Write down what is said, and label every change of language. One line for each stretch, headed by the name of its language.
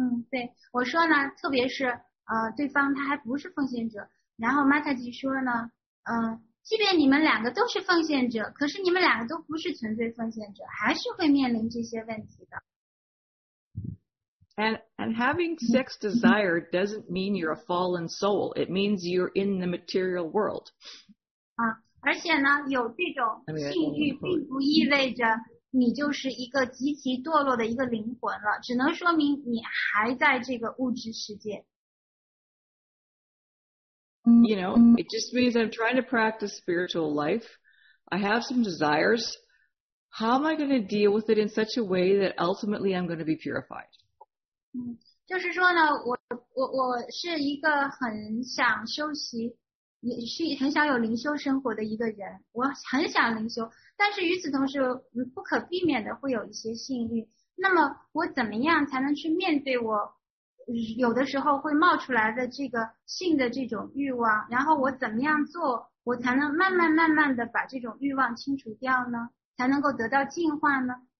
Chinese: 对，我说呢，特别是对方他还不是奉献者，然后 Mataji 说呢，即便你们两个都是奉献者，可是你们两个都不是纯粹奉献者，还是会面临这些问题的。
English: And having sex desire doesn't mean you're a fallen soul. It means you're in the material world.
Chinese: 而且呢，有这种性欲并不意味着你就是一个极其堕落的一个灵魂了，只能说明你还在这个物质世界。
English: You know, it just means I'm trying to practice spiritual life. I have some desires. How am I going to deal with it in such a way that ultimately I'm going to be purified?
Chinese: 就是说呢，我是一个很想修习，也是很想有灵修生活的一个人，我很想灵修，但是与此同时不可避免的会有一些性欲，那么我怎么样才能去面对我有的时候会冒出来的这个性的这种欲望，然后我怎么样做我才能慢慢慢慢的把这种欲望清除掉呢，才能够得到净化呢？